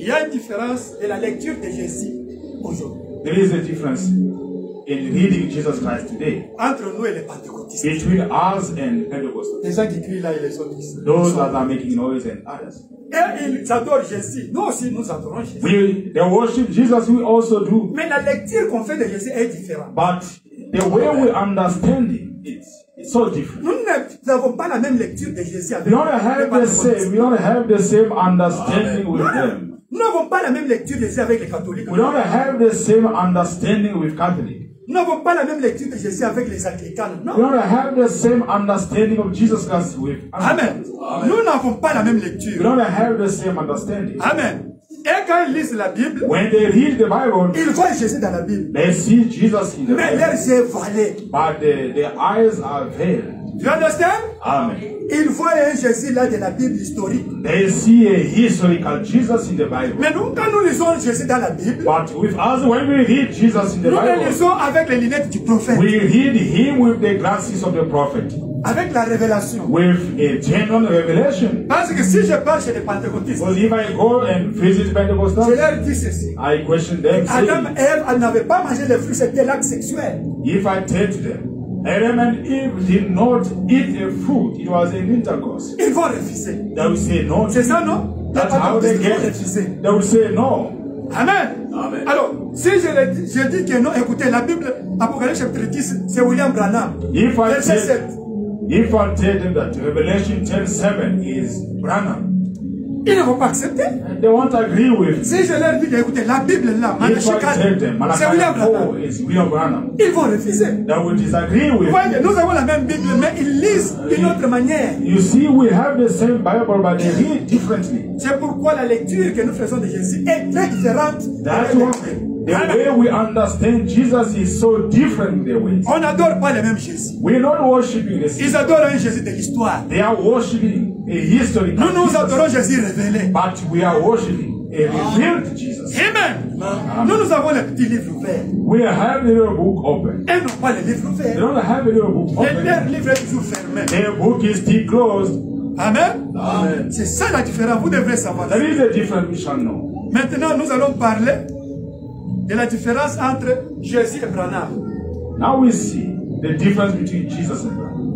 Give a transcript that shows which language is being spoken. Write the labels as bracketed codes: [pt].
[fr] Il y a une différence de la lecture de Jésus aujourd'hui. [en] There is a difference in reading Jesus Christ today. [fr] Entre nous et les pentecôtistes. [en] Between us and Pentecostals. [fr] Les gens qui crient là et les autres. [en] Those that are making noise and others. [fr] Et ils adorent Jésus. Nous aussi nous adorons Jésus. [en] We they worship Jesus. We also do. [fr] Mais la lecture qu'on fait de Jésus est différente. [en] But the way we understand it. It's so different. [fr] Nous n'avons pas la même lecture de Jésus avec nous. [en] We don't have the same understanding with them. [fr] Nous n'avons pas la même lecture de Jésus avec les catholiques. [en] We don't have the same understanding with Catholics. [fr] Nous n'avons pas la même lecture de Jésus avec les Africains. [en] We don't have the same understanding of Jesus Christ with. [fr] Amen. Nous n'avons pas la même lecture. [en] We don't have the same understanding. [fr] Amen. Et quand ils lisent la Bible, [en] when they read the Bible, [fr] ils voient Jésus dans la Bible. [en] They see Jesus in the [fr] Mais [en] Bible. [fr] Mais leurs yeux voilés. [en] But their eyes are veiled. You understand? Amen. [fr] Ils voient un Jésus là de la Bible historique. [en] They see a historical Jesus in the Bible. [fr] Mais nous, quand nous lisons Jésus dans la Bible, [en] but with us when we read Jesus in the [fr] nous [en] Bible, [fr] nous le lisons avec les lunettes du prophète. [en] We read him with the glasses of the prophet. [fr] Avec la révélation. [en] With a genuine revelation. [fr] Parce que si je parle chez les pentecôtistes. [en] Well, if I go and visit Pentecostals. [fr] Je leur dis ceci. [en] I question them. [fr] Adam et Eve n'avaient pas mangé le fruit, c'était l'acte sexuel. [en] If I tell to them. Adam and Eve did not eat a fruit. It was an intercourse. [fr] Ils vont refuser. [en] They will say no. [fr] C'est ça, non? [en] That's how they get it. They will say no. Amen. Amen. [fr] Alors, si je dis que non, écoutez, la Bible, Apocalypse chapitre 10, c'est William Branham. [en] If I tell. If I tell them that Revelation 10:7 is Branham, [fr] ils ne vont pas accepter. [en] They won't agree with. [fr] Si je leur dis, écoutez, la Bible là, Malachi 4, c'est William Branham. Ils vont refuser. [en] They will disagree with. [fr] Voyez, nous avons la même Bible, mais ils lisent d'une autre manière. [en] You see, we have the same Bible, but they read differently. [fr] C'est pourquoi la lecture que nous faisons de Jésus est très différente. [en] That's why. The way we understand Jesus is so different the way. [fr] On n'adore pas le même Jésus. [en] We're not worshiping the same. [fr] Ils adorent un Jésus de l'histoire. [en] They are worshiping a historical [fr] nous [en] Jesus. [fr] Nous adorons Jésus révélé. [en] But we are worshiping a revealed Jesus. [fr] Amen. Amen. Nous avons le petit livre ouvert. [en] We have the little book open. [fr] Et non pas le livre ouvert. [en] We don't have the little book open. [fr] Le livre est toujours fermé. [en] The book is still closed. Amen. Amen. [fr] C'est ça la différence. Vous devrez savoir. [en] There is a different mission now. [fr] Maintenant, nous allons parler et la différence entre Jésus et Branham. [en] Now we see the difference between Jesus and Branham.